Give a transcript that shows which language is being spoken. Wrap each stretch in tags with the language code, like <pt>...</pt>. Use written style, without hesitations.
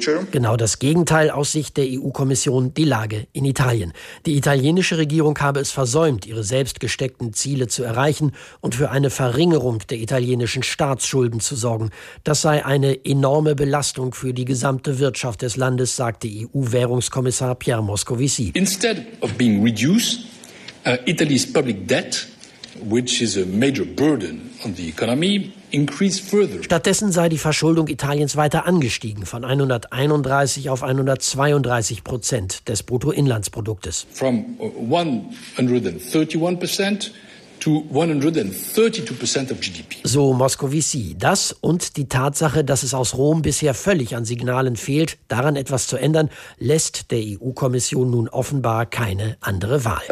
<de>Genau das Gegenteil aus Sicht der EU-Kommission, die Lage in Italien. Die italienische Regierung habe es versäumt, ihre selbst gesteckten Ziele zu erreichen und für eine Verringerung der italienischen Staatsschulden zu sorgen. Das sei eine enorme Belastung für die gesamte Wirtschaft des Landes, sagte EU-Währungskommissar Pierre Moscovici.</de> <en>Instead of being reduced, Italy's public debt, which is a major burden on the economy, increased further.</en> <de>Stattdessen sei die Verschuldung Italiens weiter angestiegen, von 131 auf 132% des Bruttoinlandsproduktes.</de> <en>From 131% to 132% of GDP.</en> <de>So Moscovici. Das und die Tatsache, dass es aus Rom bisher völlig an Signalen fehlt, daran etwas zu ändern, lässt der EU-Kommission nun offenbar keine andere Wahl.</de>